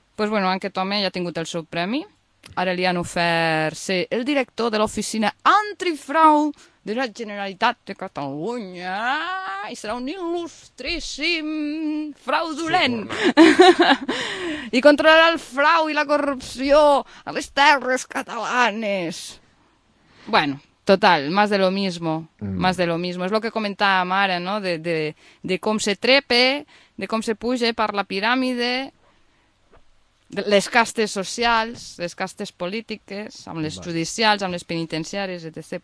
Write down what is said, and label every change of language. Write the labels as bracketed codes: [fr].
[ca] Pues bueno, aquest home ja ha tingut el seu premi. Ara li han ofert ser el director de l'oficina antifrau de la Generalitat de Catalunya i serà un il·lustríssim fraudulent. Sí, i controlarà el frau i la corrupció a les terres catalanes. [es] Bueno, total, más de lo mismo. Más de lo mismo. [ca] És el que comentàvem ara, no? De com se trepe, de com se puja per la piràmide, les castes socials, les castes polítiques, amb les judicials, amb les penitenciàries, etc.